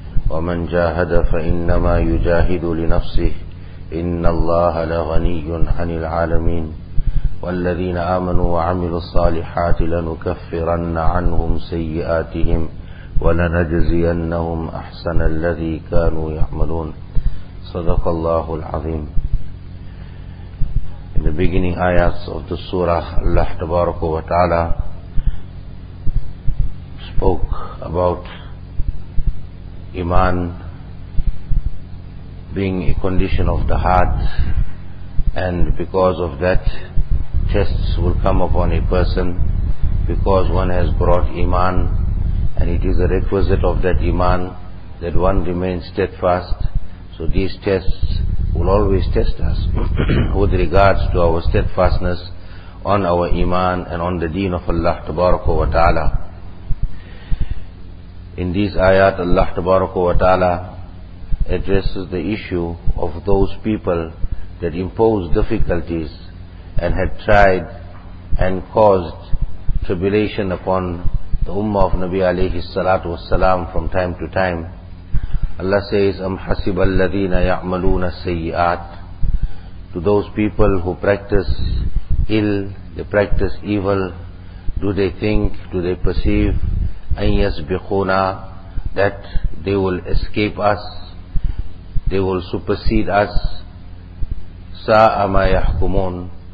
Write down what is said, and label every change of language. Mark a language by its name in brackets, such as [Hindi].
[Arabic] ومن جاهد فإنما يجاهد لنفسه إن الله لغني عن العالمين. والذين آمنوا وعملوا الصالحات لنكفرن عنهم سيئاتهم ولنجزينهم أحسن الذي كانوا يعملون. صدق الله العظيم. [English] In the beginning ayats of the surah, Allah tabaraka wa ta'ala spoke about iman being a condition of the heart, and because of that tests will come upon a person, because one has brought iman, and it is a requisite of that iman that one remains steadfast. So these tests will always test us with regards to our steadfastness on our iman and on the deen of Allah tabaraka wa ta'ala. In these ayat, Allah tabaraka wa ta'ala addresses the issue of those people that impose difficulties and had tried and caused tribulation upon the Ummah of Nabi alayhi salatu wassalam from time to time. [Arabic] Allah says, أَمْ حَسِبَ الَّذِينَ يَعْمَلُونَ السَّيِّئَاتِ. [English] To those people who practice ill, they practice evil, do they think, do they perceive, أَنْ يَسْبِقُونَا, that they will escape us, they will supersede us, سَاءَ مَا يَحْكُمُونَ.